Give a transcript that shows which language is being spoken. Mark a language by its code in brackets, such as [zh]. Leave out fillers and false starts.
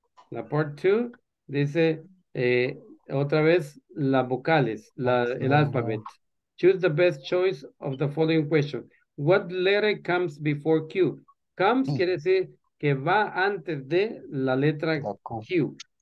[es] La part 2 dice otra vez las vocales, el alphabet. [en] Choose the best choice of the following question. What letter comes before Q? [es] Comes quiere decir que va antes de la letra Q.